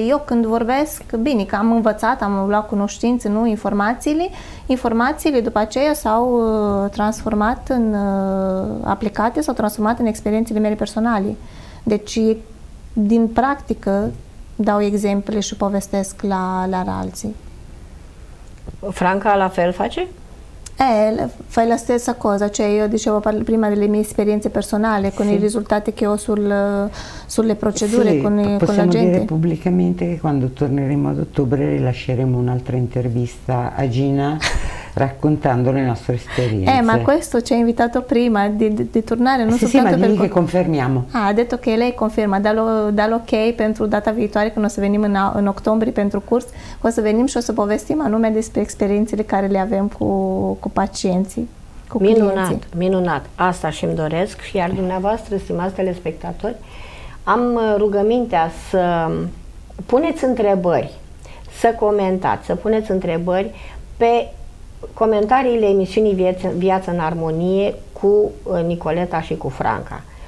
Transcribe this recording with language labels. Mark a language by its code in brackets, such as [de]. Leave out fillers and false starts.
[ro] Eu când vorbesc, bine, că am învățat, am luat cunoștință, nu informațiile după aceea s-au transformat în aplicate, s-au transformat în experiențele mele personale. Deci, din practică, dau exemple și povestesc la alții. Franca la fel face? [it] Fai la stessa cosa, cioè io dicevo prima delle mie esperienze personali con sì. I risultati che ho sulle procedure sì, con la gente. Possiamo dire pubblicamente che quando torneremo ad ottobre rilasceremo un'altra intervista a Gina raccontando le nostre esperienze. Ma questo ci ha invitato prima di tornare, non sì, soltanto per... Sì, ma lì che confermiamo. Ah, ha detto che lei conferma, dall'ok [ro] pentru data viitoare, când o să venim în octombrie pentru curs, o să venim și o să povestim anume despre experiențele care le avem cu pacienții. Minunat, minunat. Asta și-mi doresc. Iar dumneavoastră, stimați telespectatori, am rugămintea să puneți întrebări, să comentați, să puneți întrebări pe comentariile emisiunii Viață în Armonie cu Nicoleta și cu Franca.